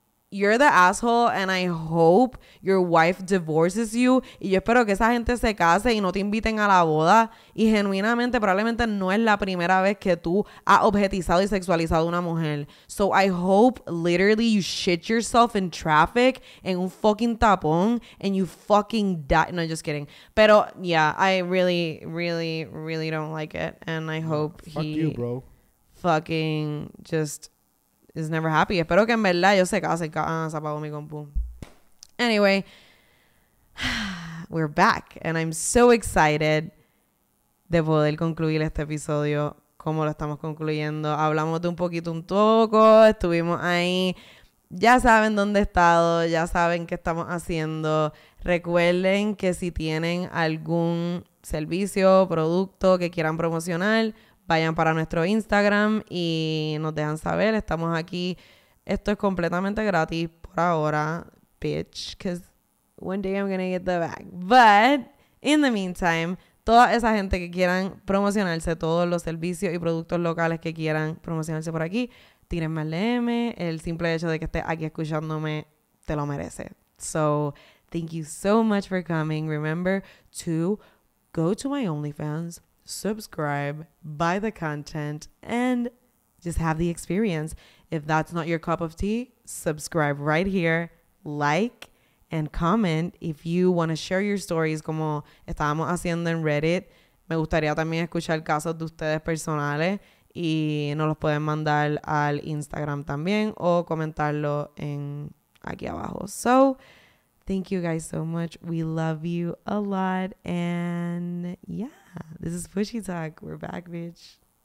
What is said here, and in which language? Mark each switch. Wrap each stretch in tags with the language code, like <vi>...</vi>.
<en>You're the asshole and I hope your wife divorces you.</en> <es>Y yo espero que esa gente se case y no te inviten a la boda. Y genuinamente, probablemente no es la primera vez que tú has objetizado y sexualizado a una mujer.</es> <en>So I hope literally you shit yourself in traffic</en> <es>en un fucking tapón</es> <en>and you fucking die. No, just kidding. Pero, yeah, I really, really, really don't like it. And I hope fuck he you, bro. Fucking just... is never happy.</en> <es>Espero que en verdad ellos se casen. Ah, se apagó mi compu.</es> <en>Anyway, we're back. And I'm so excited</en> <es>de poder concluir este episodio como lo estamos concluyendo. Hablamos de un poquito, un poco. Estuvimos ahí. Ya saben dónde he estado. Ya saben qué estamos haciendo. Recuerden que si tienen algún servicio, producto que quieran promocionar, vayan para nuestro Instagram y nos dejan saber. Estamos aquí. Esto es completamente gratis por ahora, bitch.</es> <en>Because one day I'm gonna get the bag. But in the meantime,</en> <es>toda esa gente que quieran promocionarse, todos los servicios y productos locales que quieran promocionarse por aquí, tírenme el DM. El simple hecho de que estés aquí escuchándome te lo merece.</es> <en>So, thank you so much for coming. Remember to go to my OnlyFans, subscribe, buy the content, and just have the experience. If that's not your cup of tea, subscribe right here, like, and comment if you want to share your stories</en> <es>como estábamos haciendo en Reddit. Me gustaría también escuchar casos de ustedes personales y nos los pueden mandar al Instagram también o comentarlo en aquí abajo.</es> <en>So, thank you guys so much. We love you a lot. And yeah, this is Pushy Talk. We're back, bitch.</en>